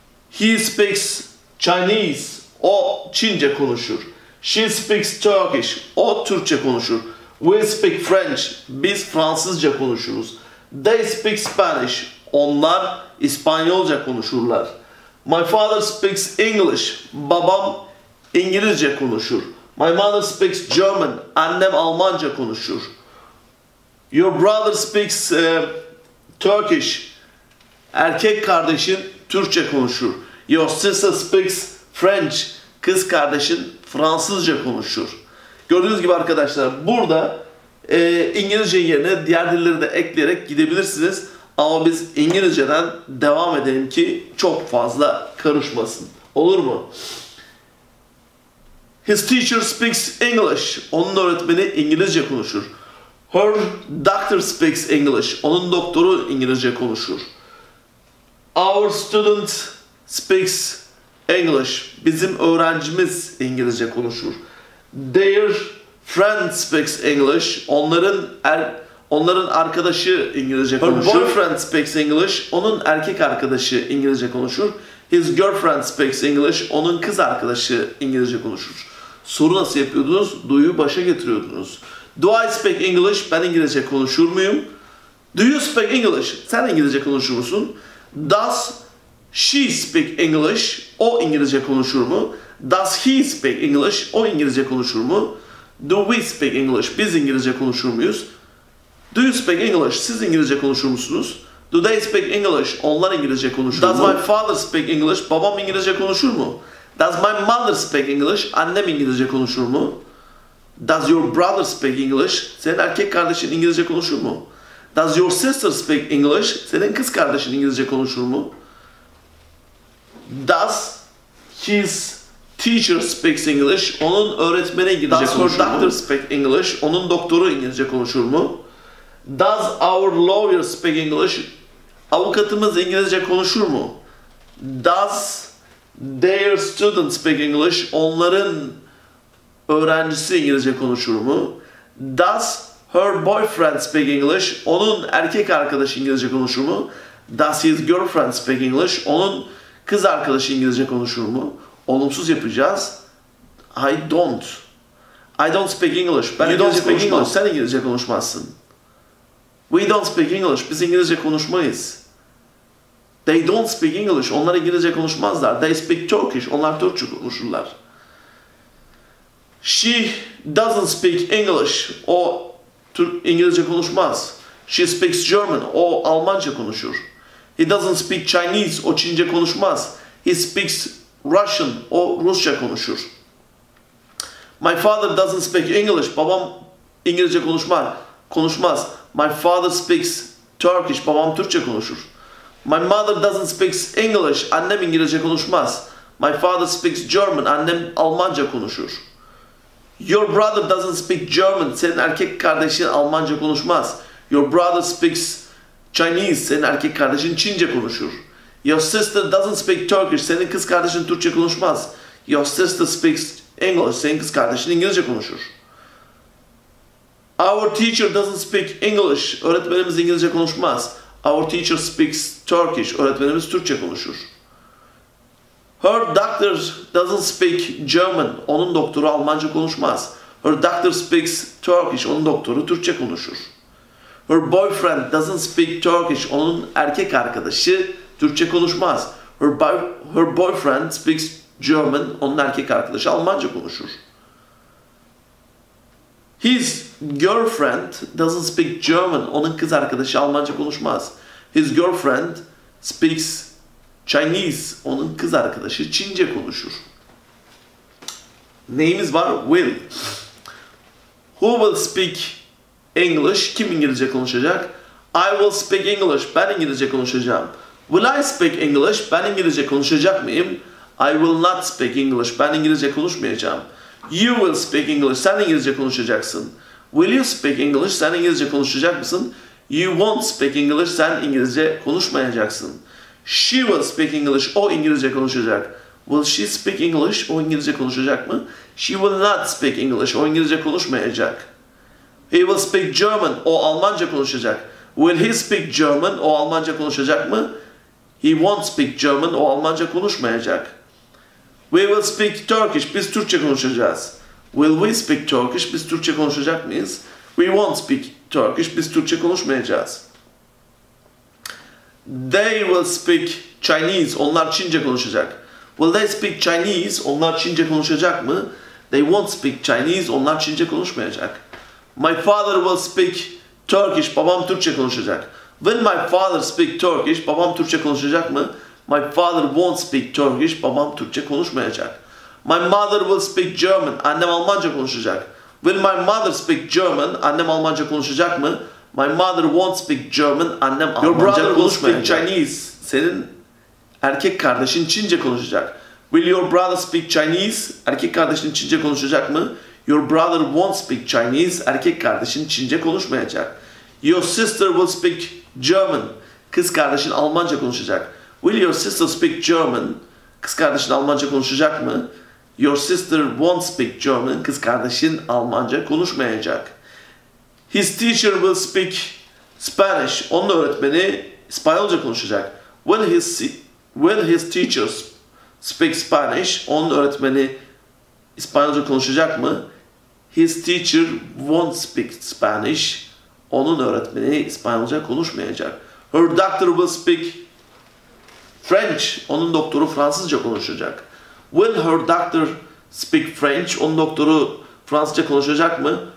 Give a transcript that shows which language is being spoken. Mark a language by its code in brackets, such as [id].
[en] He speaks Chinese. [tr] O Çince konuşur. [en] She speaks Turkish. [tr] O Türkçe konuşur. [en] We speak French. [tr] Biz Fransızca konuşuruz. [en] They speak Spanish. [tr] Onlar İspanyolca konuşurlar. [en] My father speaks English. [tr] Babam İngilizce konuşur. [en] My mother speaks German. [tr] Annem Almanca konuşur. [en] Your brother speaks Turkish. [tr] Erkek kardeşin Türkçe konuşur. [en] Your sister speaks French. [tr] Kız kardeşin Fransızca konuşur. Gördüğünüz gibi arkadaşlar burada İngilizce yerine diğer dilleri de ekleyerek gidebilirsiniz. Ama biz İngilizceden devam edelim ki çok fazla karışmasın. Olur mu? [en] His teacher speaks English. [tr] Onun öğretmeni İngilizce konuşur. [en] Her doctor speaks English. [tr] Onun doktoru İngilizce konuşur. [en] Our student speaks English. [tr] Bizim öğrencimiz İngilizce konuşur. [en] Their friend speaks English. [tr] Onların arkadaşı İngilizce konuşur. [en] Her boyfriend speaks English. [tr] Onun erkek arkadaşı İngilizce konuşur. [en] His girlfriend speaks English. [tr] Onun kız arkadaşı İngilizce konuşur. Soru nasıl yapıyordunuz? Do'yu başa getiriyordunuz. [en] Do I speak English? [tr] Ben İngilizce konuşur muyum? [en] Do you speak English? [tr] Sen İngilizce konuşur musun? [en] Does she speak English? [tr] O İngilizce konuşur mu? [en] Does he speak English? [tr] O İngilizce konuşur mu? [en] Do we speak English? [tr] Biz İngilizce konuşur muyuz? [en] Do you speak English? [tr] Siz İngilizce konuşur musunuz? [en] Do they speak English? [tr] Onlar İngilizce konuşur mu? [en] Does my father speak English? [tr] Babam İngilizce konuşur mu? [en] Does my mother speak English? [tr] Annem İngilizce konuşur mu? [en] Does your brother speak English? [tr] Senin erkek kardeşin İngilizce konuşur mu? [en] Does your sister speak English? [tr] Senin kız kardeşin İngilizce konuşur mu? [en] Does his teacher speak English? [tr] Onun öğretmeni İngilizce [en] Does [tr] konuşur mu? [en] Does her doctor speak English? [tr] Onun doktoru İngilizce konuşur mu? [en] Does our lawyer speak English? [tr] Avukatımız İngilizce konuşur mu? [en] Does their student speak English? [tr] Onların öğrencisi İngilizce konuşur mu? [en] Does her boyfriend speak English? [tr] Onun erkek arkadaşı İngilizce konuşur mu? [en] Does his girlfriend speak English? [tr] Onun kız arkadaşı İngilizce konuşur mu? Olumsuz yapacağız. [en] I don't. I don't speak English. Ben you don't speak English. [tr] Sen İngilizce konuşmazsın. [en] We don't speak English. [tr] Biz İngilizce konuşmayız. [en] They don't speak English. [tr] Onlar İngilizce konuşmazlar. [en] They speak Turkish. [tr] Onlar Türkçe konuşurlar. [en] She doesn't speak English. [tr] O İngilizce konuşmaz. [en] She speaks German. [tr] O Almanca konuşur. [en] He doesn't speak Chinese. [tr] O Çince konuşmaz. [en] He speaks Russian. [tr] O Rusça konuşur. [en] My father doesn't speak English. [tr] Babam İngilizce konuşmaz. [en] My father speaks Turkish. [tr] Babam Türkçe konuşur. [en] My mother doesn't speak English. [tr] Annem İngilizce konuşmaz. [en] My father speaks German. [tr] Annem Almanca konuşur. [en] Your brother doesn't speak German. [tr] Senin erkek kardeşin Almanca konuşmaz. [en] Your brother speaks Chinese. [tr] Senin erkek kardeşin Çince konuşur. [en] Your sister doesn't speak Turkish. [tr] Senin kız kardeşin Türkçe konuşmaz. [en] Your sister speaks English. [tr] Senin kız kardeşin İngilizce konuşur. [en] Our teacher doesn't speak English. [tr] Öğretmenimiz İngilizce konuşmaz. [en] Our teacher speaks Turkish. [tr] Öğretmenimiz Türkçe konuşur. [en] Her doctor doesn't speak German. [tr] Onun doktoru Almanca konuşmaz. [en] Her doctor speaks Turkish. [tr] Onun doktoru Türkçe konuşur. [en] Her boyfriend doesn't speak Turkish. [tr] Onun erkek arkadaşı Türkçe konuşmaz. [en] Her boyfriend speaks German. [tr] Onun erkek arkadaşı Almanca konuşur. [en] His girlfriend doesn't speak German. [tr] Onun kız arkadaşı Almanca konuşmaz. [en] His girlfriend speaks Chinese. [tr] Onun kız arkadaşı Çince konuşur. Neyimiz var? Will. [en] Who will speak English? [tr] Kim İngilizce konuşacak? [en] I will speak English. [tr] Ben İngilizce konuşacağım. [en] Will I speak English? [tr] Ben İngilizce konuşacak mıyım? [en] I will not speak English. [tr] Ben İngilizce konuşmayacağım. [en] You will speak English. [tr] Sen İngilizce konuşacaksın. [en] Will you speak English? [tr] Sen İngilizce konuşacak mısın? [en] You won't speak English. [tr] Sen İngilizce konuşmayacaksın. [en] She will speak English. [tr] O İngilizce konuşacak. [en] Will she speak English? [tr] O İngilizce konuşacak mı? [en] She will not speak English. [tr] O İngilizce konuşmayacak. [en] He will speak German. [tr] O Almanca konuşacak. [en] Will he speak German? [tr] O Almanca konuşacak mı? [en] He won't speak German. [tr] O Almanca konuşmayacak. [en] We will speak Turkish. [tr] Biz Türkçe konuşacağız. [en] Will we speak Turkish? [tr] Biz Türkçe konuşacak mıyız? [en] We won't speak Turkish. [tr] Biz Türkçe konuşmayacağız. [en] They will speak Chinese. [tr] Onlar Çince konuşacak. [en] Will they speak Chinese? [tr] Onlar Çince konuşacak mı? [en] They won't speak Chinese. [tr] Onlar Çince konuşmayacak. [en] My father will speak Turkish. [tr] Babam Türkçe konuşacak. [en] Will my father speak Turkish? [tr] Babam Türkçe konuşacak mı? [en] My father won't speak Turkish. [tr] Babam Türkçe konuşmayacak. [en] My mother will speak German. [tr] Annem Almanca konuşacak. [en] Will my mother speak German? [tr] Annem Almanca konuşacak mı? [en] My mother won't speak German. [tr] Annem Almanca konuşmayacak. [en] Your brother will speak Chinese. [tr] Senin erkek kardeşin Çince konuşacak. [en] Will your brother speak Chinese? [tr] Erkek kardeşin Çince konuşacak mı? [en] Your brother won't speak Chinese. [tr] Erkek kardeşin Çince konuşmayacak. [en] Your sister will speak German. [tr] Kız kardeşin Almanca konuşacak. [en] Will your sister speak German? [tr] Kız kardeşin Almanca konuşacak mı? [en] Your sister won't speak German. [tr] Kız kardeşin Almanca konuşmayacak. [en] His teacher will speak Spanish. [tr] Onun öğretmeni İspanyolca konuşacak. [en] Will his teacher speak Spanish? [tr] Onun öğretmeni İspanyolca konuşacak mı? [en] His teacher won't speak Spanish. [tr] Onun öğretmeni İspanyolca konuşmayacak. [en] Her doctor will speak French. [tr] Onun doktoru Fransızca konuşacak. [en] Will her doctor speak French? [tr] Onun doktoru Fransızca konuşacak mı?